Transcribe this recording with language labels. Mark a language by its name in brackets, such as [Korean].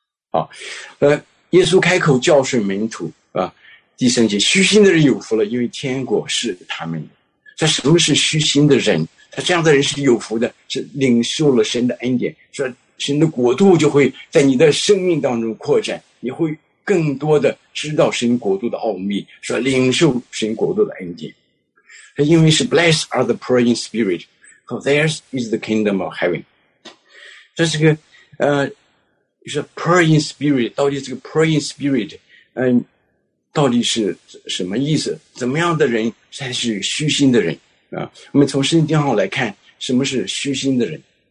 [Chinese] 好，耶稣开口教训门徒啊，第三节，虚心的人有福了，因为天国是他们的。说什么是虚心的人？他这样的人是有福的，是领受了神的恩典，说神的国度就会在你的生命当中扩展，你会更多的知道神国度的奥秘，说领受神国度的恩典。他因为是 [English] blessed are the poor in spirit, for theirs is the kingdom of heaven。 [Chinese] 这是个就是 [English] poor in spirit, [Chinese] 到底这个 [English] poor in spirit, [Chinese] 到底是什么意思？怎么样的人才是虚心的人？我们从圣经上来看什么是虚心的人。